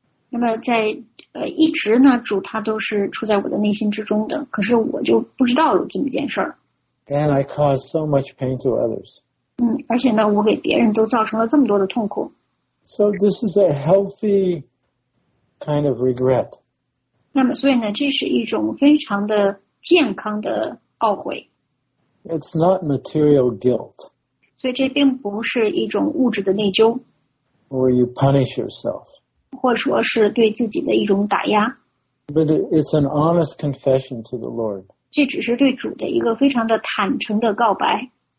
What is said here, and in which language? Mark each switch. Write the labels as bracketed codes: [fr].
[zh] 那么在一直呢主他都是处在我的内心之中的可是我就不知道有这么件事 [en] And I caused so much pain to others [zh] 而且呢我给别人都造成了这么多的痛苦 [en] So this is a healthy kind of regret [zh] 那么所以呢这是一种非常的健康的懊悔 [en] It's not material guilt [zh] 所以这并不是一种物质的内疚 [en] Or you punish yourself [zh] 或者说是对自己的一种打压 [en] But it's an honest confession to the Lord [zh] 这只是对主的一个非常的坦诚的告白